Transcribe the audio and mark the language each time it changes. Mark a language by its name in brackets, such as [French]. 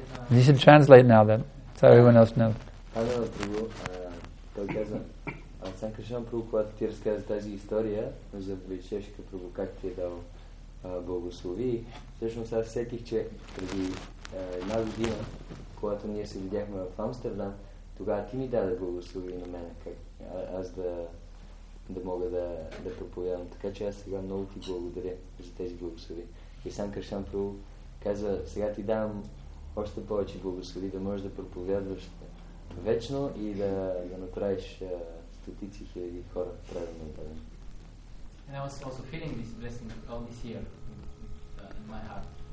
[English] You should translate now then, so everyone else knows. I don't know, [Bulgarian] той каза, Сан Кришна Прабху, когато ти разказа тази история за Вайшешика Прабху, как ти е дал благослови, всъщност аз сетих, че преди една година, когато ние се видяхме в Амстердам, тогава ти ми даде благослови на мен, как аз да мога да проповядам. Така че аз сега много ти благодаря за тези благослови. И Сан Кришна Прабху каза, сега ти давам още повече благослови, да можеш да проповядваш вечно и да направиш стотици хиляди хора трябва да бъдем. [English] And I was also feeling this blessing all this year in my heart.